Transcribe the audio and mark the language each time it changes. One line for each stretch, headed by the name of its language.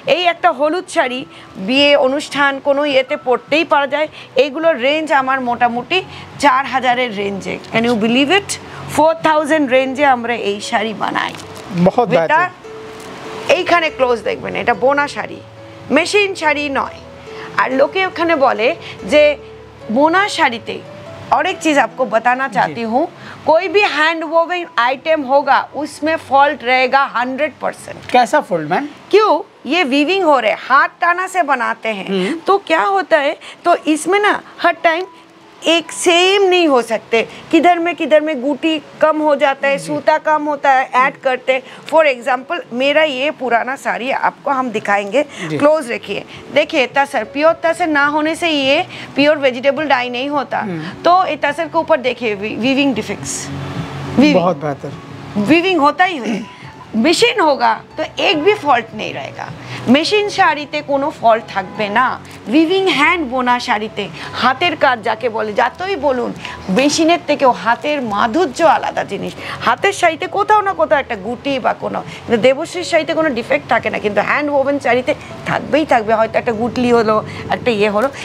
Bangla: এই একটা হলুদ শাড়ি বিয়ে অনুষ্ঠান কোনো ইয়েতে পড়তেই পাওয়া যায়. এইগুলোর রেঞ্জ আমার মোটামুটি 4000 রেঞ্জে,
English: can you believe it,
Bangla: 4000 রেঞ্জে আমরা এই শাড়ি বানাই. বহুত এটা এইখানে ক্লোজ দেখবেন, এটা বোনা শাড়ি, মেশিন শাড়ি নয়. আর লোকে ওখানে বলে যে বোনা শাড়িতে
Hindi: और एक चीज आपको बताना चाहती हूँ, कोई भी हैंड वोवन आइटम होगा उसमें फॉल्ट रहेगा 100%. कैसा फॉल्ट मैम? क्यों, ये वीविंग हो रहे, हाथ ताना से बनाते हैं. तो क्या होता है, तो इसमें ना हर टाइम एक सेम नहीं हो सकते, किधर में गूटी कम हो जाता है, सूता कम होता है, ऐड करते. फॉर एग्जांपल मेरा ये पुराना साड़ी आपको हम दिखाएंगे, क्लोज रखिए, देखिए इतना सर प्योर तसर ना होने से ये प्योर वेजिटेबल डाई नहीं होता. तो इतना सर के ऊपर देखिए वीविंग डिफेक्ट्स, बहुत बेहतर वीविंग होता ही है. मशीन होगा तो एक भी फॉल्ट नहीं रहेगा,
Bangla: মেশিন শাড়িতে কোনো ফল্ট থাকবে না. উইভিং হ্যান্ড বোনা শাড়িতে হাতের কাজ যাকে বলে, যতই বলুন মেশিনের থেকেও হাতের মাধুর্য আলাদা জিনিস. হাতের শাড়িতে কোথাও না কোথাও একটা গুটি বা কোনো, কিন্তু দেবশ্রীর শাড়িতে কোনো ডিফেক্ট থাকে না, কিন্তু হ্যান্ড ওভেন শাড়িতে থাকবেই থাকবে, হয়তো একটা গুটলি হলো, একটা ইয়ে হলো.